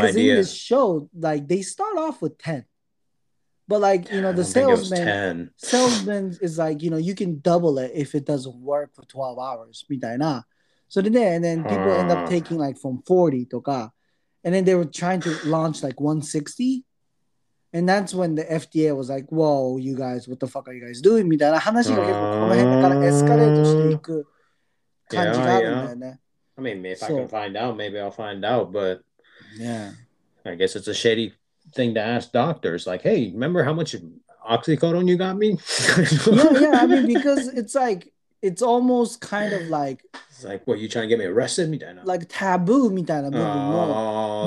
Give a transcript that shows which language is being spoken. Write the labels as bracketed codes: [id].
[en] Because in this show, like, they start off with 10. But, like, you know, the salesman, is like, you know, you can double it if it doesn't work for 12 hours. So then, and then people end up taking, like, from 40 [ja] とか. [en] And then they were trying to launch, like, 160. And that's when the FDA was like, whoa, you guys, what the fuck are you guys doing? [ja] みたいな話が結構この辺からエスカレートしていく感じがあるんだよね。 [en] I mean, if I can find out, maybe I'll find out, but yeah. I guess it's a shady thing to ask doctors. Like, hey, remember how much oxycodone you got me? yeah, I mean, because it's like, it's almost kind of like... It's like, what, you trying to get me arrested? [ja] みたいな。 [en] Like taboo, [ja] みたいな部分も。